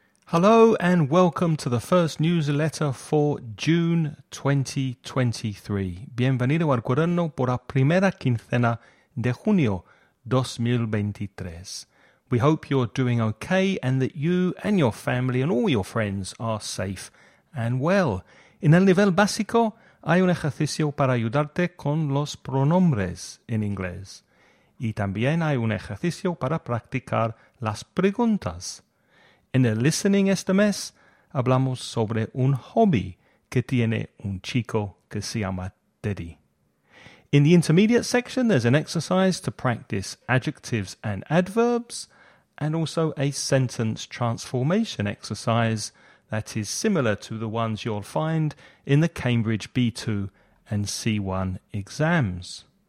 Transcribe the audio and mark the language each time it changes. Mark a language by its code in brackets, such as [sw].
[en] Hello and welcome to the first newsletter for June 2023. [es] Bienvenido al cuaderno por la primera quincena de junio 2023. [en] We hope you're doing okay and that you and your family and all your friends are safe and well. [es] En el nivel básico hay un ejercicio para ayudarte con los pronombres en inglés. Y también hay un ejercicio para practicar las preguntas. En el listening este mes, hablamos sobre un hobby que tiene un chico que se llama Teddy. [en] In the intermediate section, there's an exercise to practice adjectives and adverbs, and also a sentence transformation exercise that is similar to the ones you'll find in the Cambridge B2 and C1 exams.